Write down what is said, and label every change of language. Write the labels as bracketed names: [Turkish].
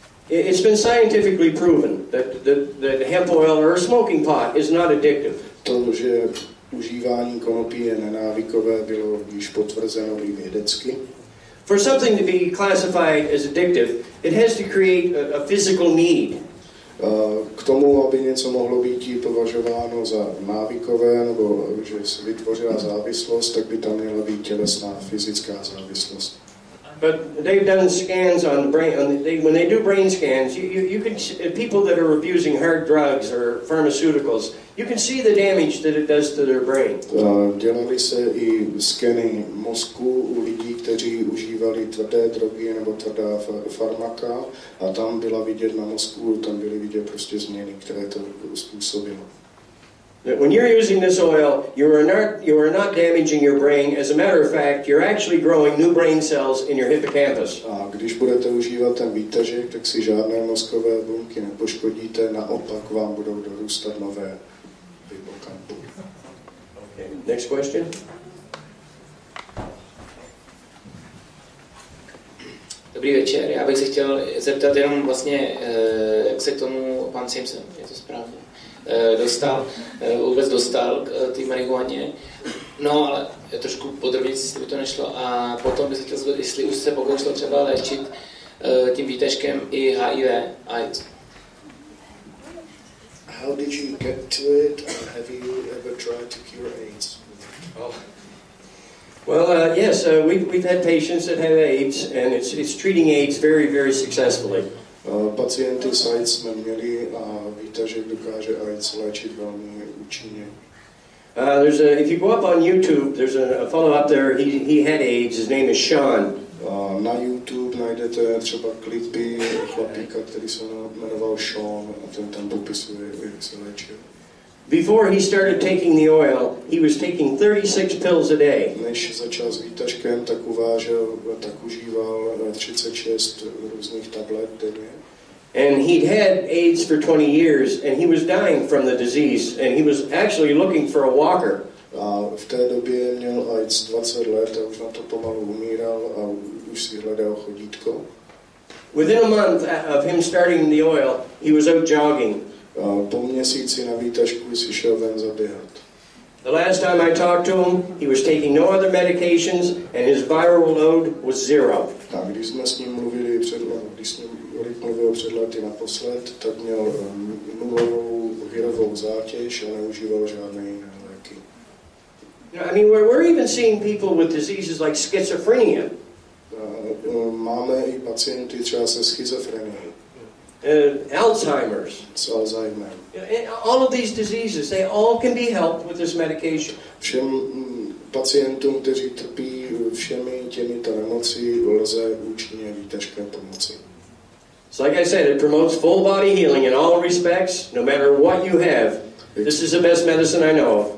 [English] It's been scientifically proven that hemp oil or a smoking pot is not addictive. [Czech] To, že užívání konopí je nenávykové, bylo již potvrzeno i vědecky. [English] For something to be classified as addictive, it has to create a physical need. [Czech] K tomu, aby něco mohlo být považováno za návykové, nebo že se vytvořila závislost, tak by tam měla být tělesná fyzická závislost. [English] But they've done scans on brain. When they do brain scans, you can people that are abusing hard drugs or pharmaceuticals, you can see the damage that it does to their brain. [Czech] Dělali se i skeny mozku u lidí, kteří užívali tvrdé drogy nebo tvrdá farmaka, a tam byla vidět na mozku, tam byly vidět prostě změny, které to způsobilo. [English] That when you're using this oil, you are not damaging your brain. As a matter of fact, you're actually growing new brain cells in your hippocampus. [Czech] A když budete užívat ten výtažek, tak si žádné mozkové buňky nepoškodíte, naopak vám budou dorůstat nové hippocampy. [English] Okay. Next question. [Czech] Dobrý večer. Já bych se chtěl zeptat jenom vlastně, jak se k tomu pan Simpson, je to správně, dostal, vůbec dostal k té marihuaně. No, ale trošku podrobněji, jestli by to nešlo. A potom bych se chtěl zeptat, jestli už se pokoušel třeba léčit tím výtažkem i HIV, AIDS. [English] How did you get to it? Have you ever tried to cure AIDS? Well, yes, we've had patients that have AIDS, and it's treating AIDS very, very successfully. [Czech] Pacienty s AIDS jsme měli a výtažek dokáže AIDS léčit velmi účinně. [English] If you go up on YouTube, there's a fellow up there, he had AIDS, his name is Sean. [Czech] Na YouTube najdete třeba klipy chlapíka, který se jmenoval Sean, a ten tam popisuje, jak se léčil. [English] Before he started taking the oil, he was taking 36 pills a day. [Czech] Než začal s výtažkem, tak uvážel, tak užíval 36 různých tablet denně. [English] And he'd had AIDS for 20 years, and he was dying from the disease, and he was actually looking for a walker. [Czech] A v té době měl AIDS 20 let a už na to pomalu umíral a už si hledal chodítko. [English] Within a month of him starting the oil, he was out jogging. [Czech] Po měsíci na výtažku si šel ven zaběhat. [English] The last time I talked to him, he was taking no other medications and his viral load was zero. [Czech] A když jsme s ním mluvili před lety naposled, tak měl nulovou virovou zátěž a neužíval žádné jiné léky. [English] I mean, we're even seeing people with diseases like schizophrenia. [Czech] Máme i pacienty třeba se schizofrenií. [English] Alzheimer's. It's Alzheimer. All of these diseases, they all can be helped with this medication. [Czech] Všem pacientům, kteří trpí všemi těmito nemocí, lze účinně výtažkem pomoci. [English] So like I said, it promotes full body healing in all respects, no matter what you have. This is the best medicine I know of.